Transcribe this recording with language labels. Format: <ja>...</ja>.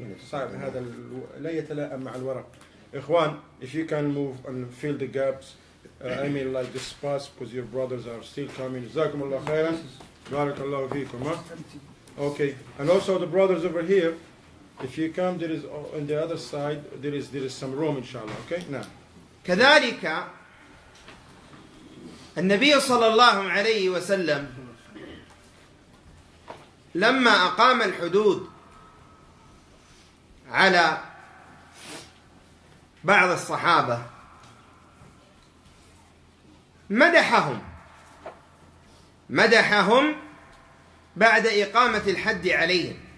<ar>صعب هذا لا يتلائم مع الورق.</ar> <en>إخوان, if you can move and fill the gaps, I mean like the spots, because your brothers are still coming.</en> <ar>جزاكم الله خيرا. بارك الله فيكم.</ar> <en>Okay. And also the brothers over here, if you come, there is on the other side, there is some room, inshallah. Okay. Now.</en> <ar>كذلك النبي صلى الله عليه وسلم لما أقام الحدود على بعض الصحابة مدحهم بعد إقامة الحد عليهم.</ar>